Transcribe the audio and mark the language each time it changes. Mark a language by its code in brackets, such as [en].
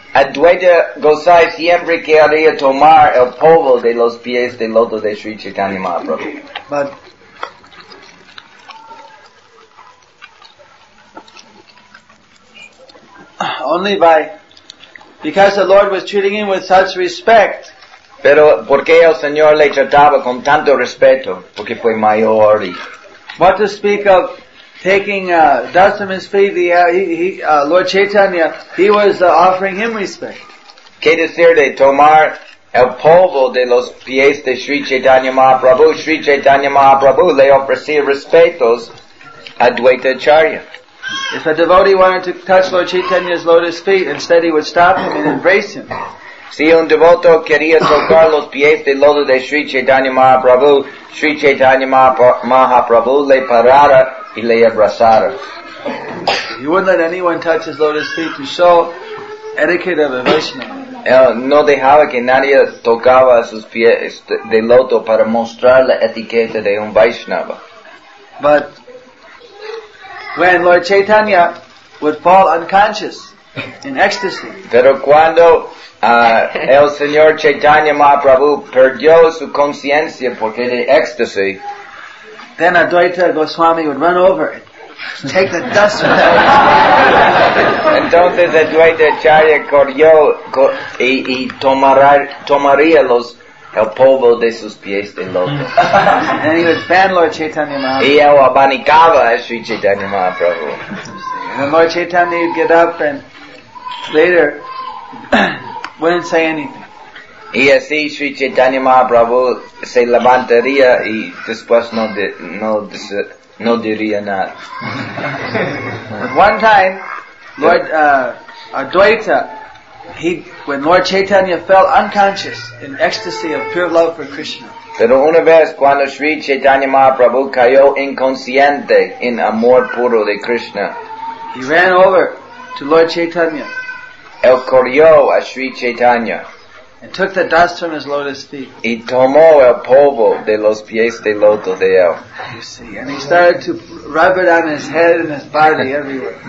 [es] Advaita Gosai siempre quería tomar el polvo de los pies de loto de Sri Chaitanya Mahaprabhu. [en] But only by, because the Lord was treating him with such respect. [es] Pero porque el Señor le trataba con tanto respeto, porque fue mayor. [en] What to speak of taking dust from his feet, Lord Chaitanya, he was offering him respect. [es] ¿Qué decir de tomar el polvo de los pies de Sri Chaitanya Mahaprabhu? Sri Chaitanya Mahaprabhu le ofrecía respetos a Advaita Acharya. [en] If a devotee wanted to touch Lord Chaitanya's lotus feet, instead he would stop him and embrace him. [es] Si un devoto quería tocar los pies de loto de Sri Chaitanya Mahaprabhu, Sri Chaitanya Mahaprabhu le parara y le abrazara. [en] He wouldn't let anyone touch his lotus feet to show etiquette of a Vaishnava. [es] No dejaba que nadie tocaba sus pies de loto para mostrar la etiqueta de un Vaishnava. [en] But when Lord Chaitanya would fall unconscious in ecstasy. [es] Pero cuando el Señor Chaitanya Mahaprabhu perdió su conciencia porque de ecstasy, [en] then Advaita Goswami would run over it, take the dust from him. [es] Entonces Advaita Acharya corrió y tomaría los el polvo de sus pies de loto. [en] And he would fan Lord Chaitanya Mahaprabhu. [es] Y él abanicaba a Sri Chaitanya Mahaprabhu. [en] And Lord Chaitanya would get up and later wouldn't say anything. [es] Y así Sri Chaitanya Mahaprabhu se levantaría y después no diría nada. [en] One time, Lord Advaita, when Lord Chaitanya fell unconscious in ecstasy of pure love for Krishna. [es] Pero una vez cuando Sri Chaitanya Mahaprabhu cayó inconsciente en amor puro de Krishna, [en] he ran over to Lord Chaitanya. [es] Él corrió a Sri Chaitanya. [en] And took the dust from his lotus feet. [es] Y tomó el polvo de los pies de loto de él. [en] You see, and he started to rub it on his head and his body everywhere.